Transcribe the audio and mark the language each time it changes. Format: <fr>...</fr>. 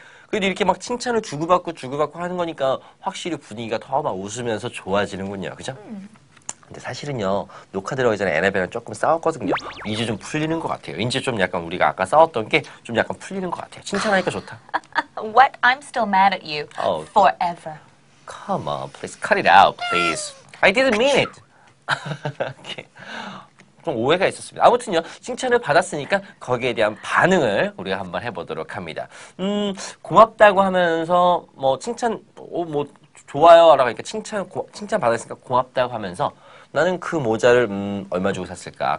<ko>그래도 이렇게 막 칭찬을 주고받고 주고받고 하는 거니까 확실히 분위기가 더 막 웃으면서 좋아지는군요. 그죠? 근데 사실은요, 녹화 들어가기 전에 에나벨이랑 조금 싸웠거든요. 이제 좀 풀리는 것 같아요. 이제 좀 약간 우리가 아까 싸웠던 게 좀 약간 풀리는 것 같아요. 칭찬하니까 좋다.</ko> <en>What? I'm still mad at you. Oh, forever. Come on, please cut it out, please. I didn't mean it.</en> <ko>좀 오해가 있었습니다. 아무튼요, 칭찬을 받았으니까 거기에 대한 반응을 우리가 한번 해보도록 합니다. 고맙다고 하면서 뭐 칭찬, 뭐 좋아요 라고 하니까 칭찬 받았으니까 고맙다고 하면서 나는 그 모자를 얼마 주고 샀을까?</ko>